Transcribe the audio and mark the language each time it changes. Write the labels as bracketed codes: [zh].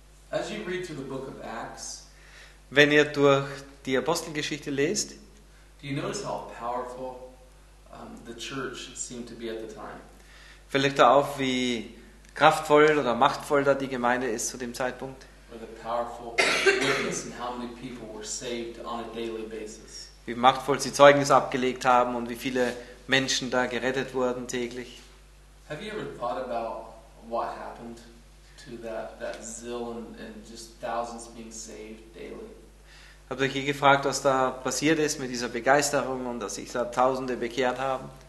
[en] As you read through the book of Acts, [de] wenn ihr durch die Apostelgeschichte lest, [en] do you notice how powerful the church seemed to be at the time? [de] Fällt euch da auf, wie kraftvoll oder machtvoll da die Gemeinde ist zu dem Zeitpunkt? [en] Or the powerful witness and how many people were saved on a daily basis? [de] Wie machtvoll sie Zeugnis abgelegt haben und wie viele Menschen da gerettet wurden täglich. [en] Have you ever thought about what happened to that zeal and just thousands being saved daily? [de] Habt ihr je gefragt, was da passiert ist mit dieser Begeisterung und dass sich da Tausende bekehrt haben?